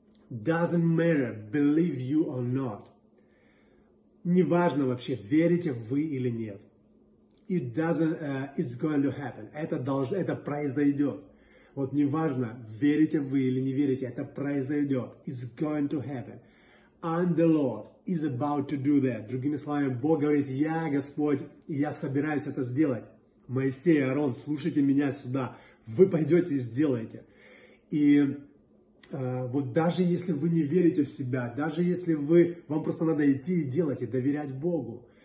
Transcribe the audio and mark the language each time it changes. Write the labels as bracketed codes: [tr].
[en] Doesn't matter, believe you or not. [ru] Неважно вообще, верите вы или нет. [en] It's going to happen. [ru] Это произойдет. Вот неважно, верите вы или не верите, это произойдет. [en] It's going to happen. And the Lord is about to do that. [ru] Другими словами, Бог говорит, я Господь, я собираюсь это сделать. Моисей, Аарон, слушайте меня сюда. Вы пойдете и сделаете. И Вот даже если вы не верите в себя, даже если вы, вам просто надо идти и делать, и доверять Богу.